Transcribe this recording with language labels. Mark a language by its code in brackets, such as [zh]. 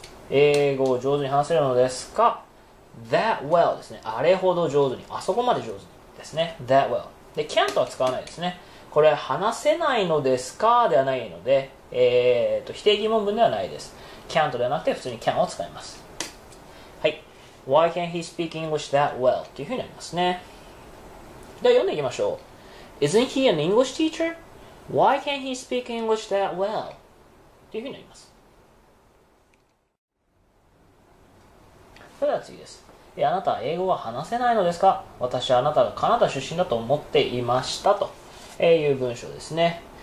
[ja] 英語を上手に話せるのですか?That well ですね。あれほど上手に。あそこまで上手にですね。 That well。 で、can とは使わないですね。これ、話せないのですかではないので、否定疑問文ではないです。 can't ではなくて普通に can を使います。はい、 [en] Why can't he speak English that well? [ja] というふうになりますね。では読んでいきましょう。 [en] Isn't he an English teacher? Why can't he speak English that well? [ja] というふうになります。それでは次です。え、あなたは英語は話せないのですか？私はあなたがカナダ出身だと思っていましたという文章ですね。